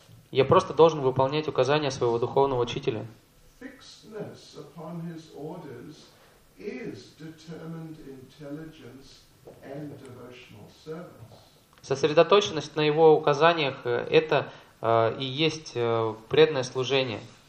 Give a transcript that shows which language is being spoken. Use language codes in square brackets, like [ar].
[ru] Я просто должен выполнять указания своего духовного учителя. [en] Fixedness upon his orders is determined intelligence and devotional service. [ru] Сосредоточенность на его указаниях – это и есть преданное служение.